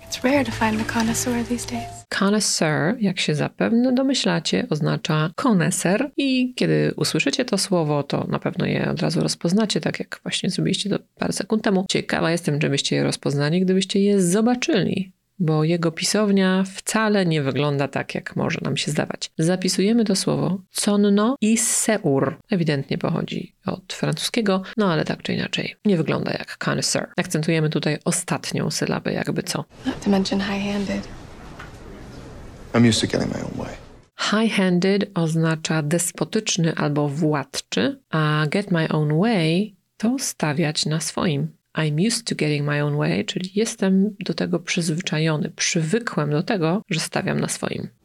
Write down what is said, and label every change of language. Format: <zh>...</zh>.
<en>It's rare to find a connoisseur these days.</en> <pl>Connoisseur, jak się zapewne domyślacie, oznacza koneser. I kiedy usłyszycie to słowo, to na pewno je od razu rozpoznacie, tak jak właśnie zrobiliście to parę sekund temu. Ciekawa jestem, żebyście je rozpoznali, gdybyście je zobaczyli. Bo jego pisownia wcale nie wygląda tak, jak może nam się zdawać. Zapisujemy to słowo conno i seur. Ewidentnie pochodzi od francuskiego, no ale tak czy inaczej nie wygląda jak connoisseur. Akcentujemy tutaj ostatnią sylabę, jakby co.</pl> <en>Not to mention high-handed. I'm used to getting my own way.</en> <pl>High-handed oznacza despotyczny albo władczy, a</pl> <en>get my own way</en> <pl>to stawiać na swoim.</pl> <en>I'm used to getting my own way,</en> <pl>czyli jestem do tego przyzwyczajony, przywykłem do tego, że stawiam na swoim.</pl>